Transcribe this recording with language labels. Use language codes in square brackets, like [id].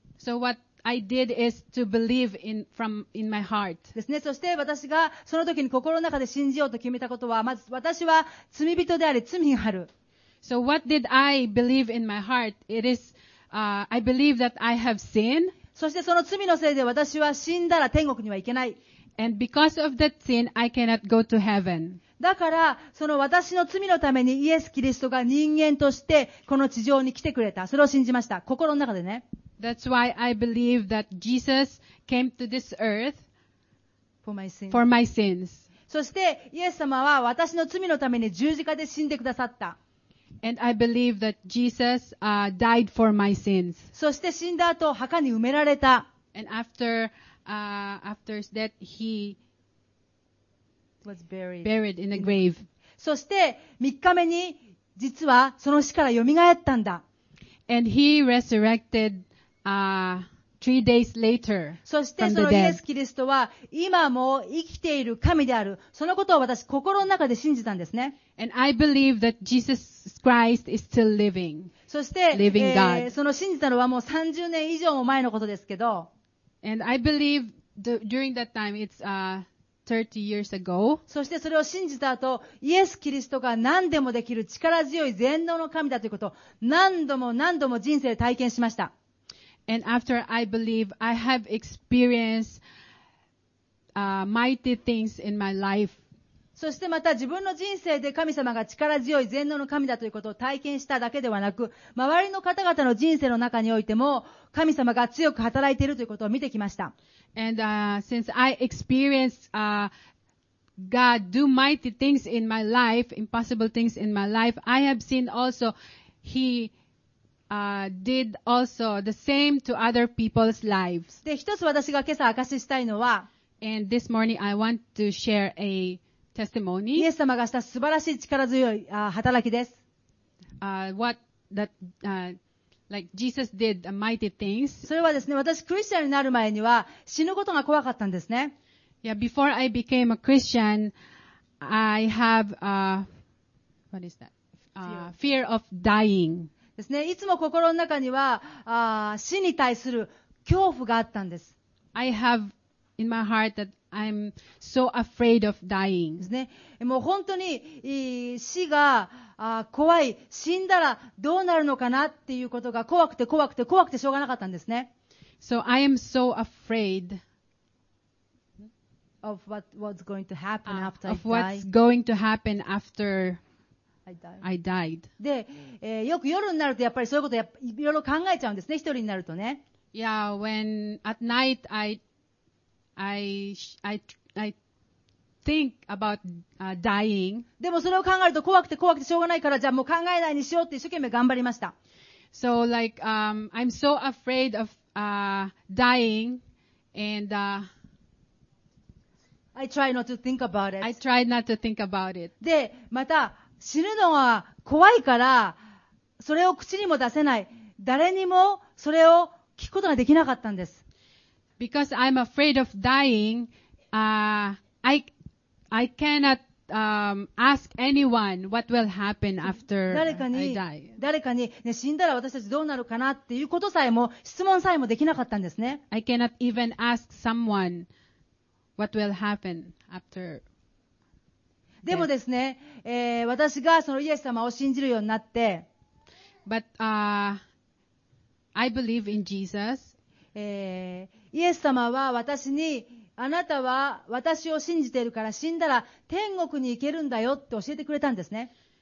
[en] So what I did is to believe in my heart. [ja] ですね。そして私がその時に心の中で信じようと決めたことは、まず私は罪人であり罪がある。 [en] So what did I believe in my heart? It is, I believe that I have sin. [ja] そしてその罪のせいで私は死んだら天国には行けない。 [en] And because of that sin, I cannot go to heaven. [ja] だから、その私の罪のためにイエス・キリストが人間としてこの地上に来てくれた。それを信じました。心の中でね。 [en] That's why I believe that Jesus came to this earth for my sins. [ja] そして、イエス様は私の罪のために十字架で死んでくださった。 [en] And I believe that Jesus died for my sins. [ja] そして死んだ後、墓に埋められた。 [en] And after that, he was buried. Buried in a grave. [ja] そして、三日目に、実はその死から蘇ったんだ。 [en] And he resurrected three days later from the dead. [ja] そしてそのイエス・キリストは今も生きている神である、そのことを私心の中で信じたんですね。 [en] And I believe that Jesus Christ is still living. [ja] そして、その信じたのはもう30年以上も前のことですけど。 [en] And I believe during that time it's 30 years ago. [ja] そしてそれを信じた後、イエス・キリストが何でもできる力強い全能の神だということを何度も何度も人生で体験しました。 [en] And after I believe, I have experienced mighty things in my life. [ja] そしてまた自分の人生で神様が力強い全能の神だということを体験しただけではなく、周りの方々の人生の中においても神様が強く働いているということを見てきました。 [en] And since I experienced God do mighty things in my life, impossible things in my life, I have seen also He did also the same to other people's lives. [ja] で、一つ私が今朝証ししたいのは、 [en] And this morning I want to share a testimony. [ja] イエス様がした素晴らしい力強い働きです。 [en] What that, like Jesus did mighty things. [ja] それはですね、私クリスチャンになる前には死ぬことが怖かったんですね。 [en] Yeah, before I became a Christian, I have, what is that? Fear of dying. [ja] ですね。いつも心の中には、死に対する恐怖があったんです。 [en] I have in my heart that I'm so afraid of dying. [ja] ですね。もう本当に、死が、怖い。死んだらどうなるのかなっていうことが怖くて怖くて怖くてしょうがなかったんですね。 [en] So I am so afraid of what's going to happen after I die. Of what's going to happen after I died. [ja] で、よく夜になるとやっぱりそういうことをいろいろ考えちゃうんですね、一人になるとね。 [en] Yeah, when at night I think about dying. [ja] でもそれを考えると怖くて怖くてしょうがないから、じゃあもう考えないにしようって一生懸命頑張りました。 [en] So like I'm so afraid of dying and I try not to think about it. I try not to think about it. [ja] で、また死ぬのは怖いから、それを口にも出せない。誰にもそれを聞くことができなかったんです。 [en] Because I'm afraid of dying, I cannot ask anyone what will happen after I die. [ja] 誰かに、ね、死んだら私たちどうなるかなっていうことさえも、質問さえもできなかったんですね。 [en] I cannot even ask someone what will happen after. [ja] でもですね、私がそのイエス様を信じるようになって、 [en] But, I believe in Jesus. [ja] イエス様は私に、あなたは私を信じているから死んだら天国に行けるんだよって教えてくれたんですね。